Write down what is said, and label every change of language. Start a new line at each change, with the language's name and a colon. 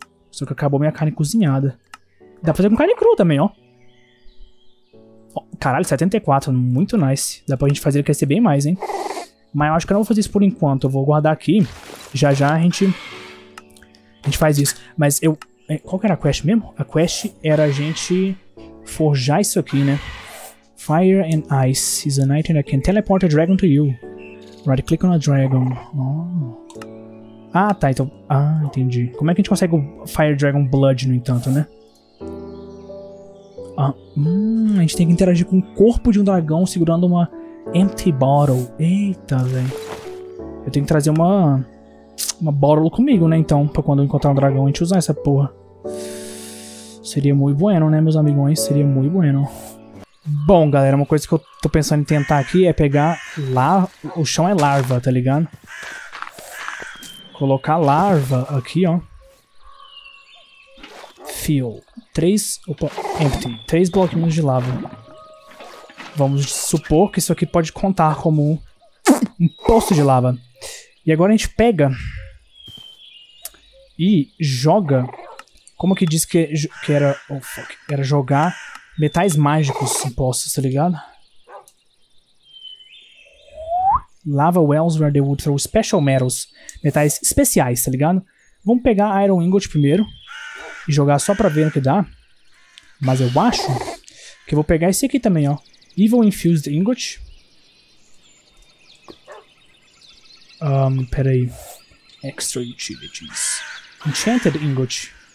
Portuguese: Só que acabou minha carne cozinhada. Dá pra fazer com carne crua também, ó. Caralho, 74. Muito nice. Dá pra gente fazer ele crescer bem mais, hein. Mas eu acho que eu não vou fazer isso por enquanto. Eu vou guardar aqui. Já já a gente faz isso. Mas eu... Qual que era a quest mesmo? A quest era a gente forjar isso aqui, né.
English: Fire and ice is an item that can teleport a dragon to you. Right click on a dragon. Oh.
Portuguese: Ah, tá, então. Ah, entendi. Como é que a gente consegue o Fire Dragon Blood, no entanto, né? Ah, a gente tem que interagir com o corpo de um dragão segurando uma empty bottle. Eita, velho. Eu tenho que trazer uma bottle comigo, né, então, pra quando eu encontrar um dragão a gente usar essa porra. Seria muito bueno, né, meus amigões? Seria muito bueno. Bom, galera, uma coisa que eu tô pensando em tentar aqui é pegar lá... O chão é larva, tá ligado? Colocar larva aqui, ó. Fill. Três... Opa, empty. Três bloquinhos de lava. Vamos supor que isso aqui pode contar como um poço de lava. E agora a gente pega... E joga... Como que diz que era...
English: Oh, fuck.
Portuguese: Era jogar... Metais mágicos em poços, tá ligado?
English: Lava wells where they would throw special metals.
Portuguese: Metais especiais, tá ligado? Vamos pegar Iron Ingot primeiro. E jogar só pra ver o que dá. Mas eu acho que eu vou pegar esse aqui também, ó. Evil Infused Ingot. Peraí. Extra Utilities. Enchanted Ingot.